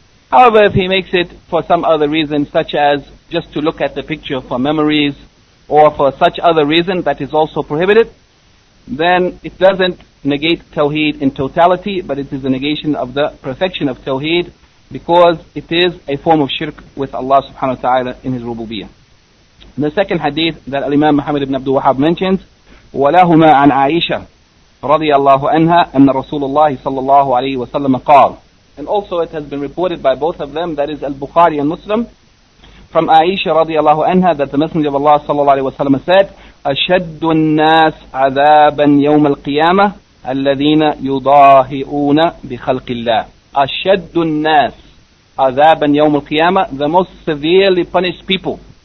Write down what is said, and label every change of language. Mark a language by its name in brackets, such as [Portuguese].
[English] However, if he makes it for some other reason, such as just to look at the picture for memories or for such other reason that is also prohibited, then it doesn't negate tawheed in totality, but it is a negation of the perfection of tawheed, because it is a form of shirk with Allah subhanahu wa ta'ala in his rububiyyah. The second hadith that Imam Muhammad ibn Abdul Wahhab mentions, [Arabic] وَلَهُمَا عَنْ عَائِشَةَ رَضِيَ اللَّهُ أَنْهَا أَنَّ رَسُولُ اللَّهِ صَلَّى اللَّهُ عَلَيْهِ وَسَلَّمَ قَالَ. [English] And also it has been reported by both of them, that is Al-Bukhari and Muslim, from Aisha رضي الله عنها, that the Messenger of Allah صلى الله عليه وسلم said, [Arabic] أَشَدُّ النَّاسِ عَذَابًا يَوْمَ الْقِيَامَةِ الَّذِينَ يُضَاهِئُونَ بِخَلْقِ اللَّهِ. أَشَدُّ النَّاسِ عَذَابًا يَوْمَ الْقِيَامَةِ, [English] the most severely punished people.